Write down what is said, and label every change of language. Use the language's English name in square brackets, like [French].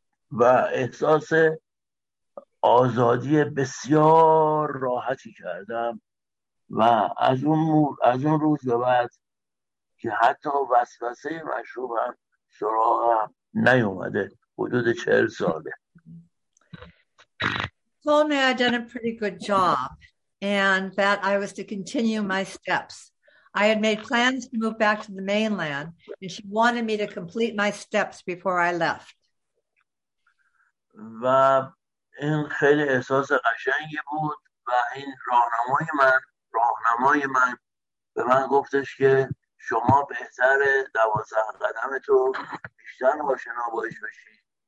[Persian] و احساس آزادی بسیار راحتی کردم و از اون روز به بعد که حتی وسوسه مشروبم سراغم نیومده حدود 40 ساله. [English] Told me I'd done a pretty good job and that I was to continue my steps. I had made plans to move back to the mainland and she wanted me to complete my steps before I left. [Persian] و این خیلی احساس قشنگی بود و این راهنمای من به من گفتش که شما بهتره 12 قدمتو بیشتر آشنا باش بشی.